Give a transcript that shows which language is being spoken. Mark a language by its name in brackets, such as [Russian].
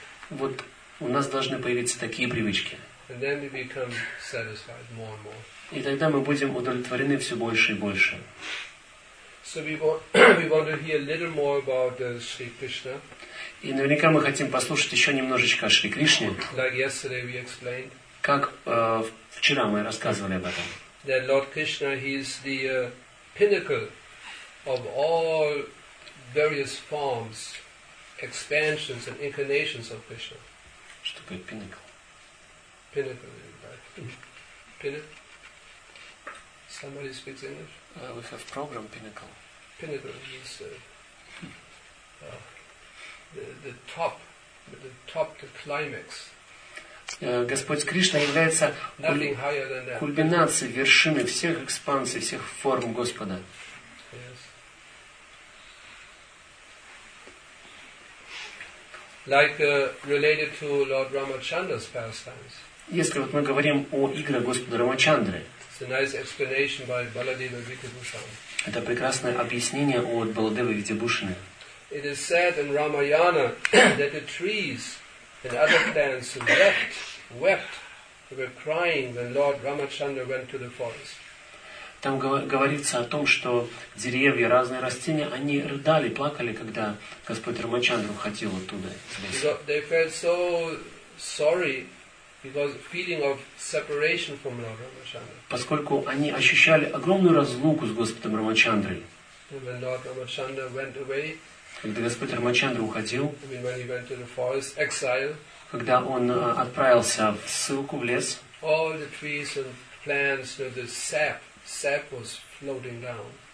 [Russian] Вот у нас должны появиться такие привычки. И тогда мы будем удовлетворены все больше и больше. [English] So we want to hear a little more about Sri Krishna. [Russian] И наверняка мы хотим послушать еще немножечко о Шри Кришне. [English] Like yesterday we explained. [Russian] Как вчера мы рассказывали об этом. [English] That Lord Krishna, he is the pinnacle of all various forms, expansions and incarnations of Krishna. [Russian] Что такое pinnacle? [English] Pinnacle. Pinnacle. Somebody speaks English. We have program pinnacle. Pinnacle is the top, the climax. [Russian] Господь Кришна является кульминацией, вершиной всех экспансий, всех форм Господа. [English] Yes. Like related to Lord Ramachandra's pastimes. [Russian] Если вот мы говорим о играх Господа Рамачандры. [English] It's a nice explanation by Baladeva Vidyabhushana. [Russian] Это прекрасное объяснение от Баладевы Видьябушины. [English] It is said in Ramayana that the trees and other plants wept, they were crying when Lord Ramachandra went to the forest. [Russian] Там говорится о том, что деревья, разные растения, они рыдали, плакали, когда Господь Рамачандра уходил оттуда. [English] They felt so sorry because of feeling of separation from Lord Ramachandra. [Russian] Поскольку они ощущали огромную разлуку с Господом Рамачандрой. [English] When Lord Ramachandra went away. [Russian] Когда Господь Рамачандра уходил. [English] When he went to the forest exile. [Russian] Когда он отправился в ссылку в лес. [English] All the trees and plants, you know, the sap was floating down.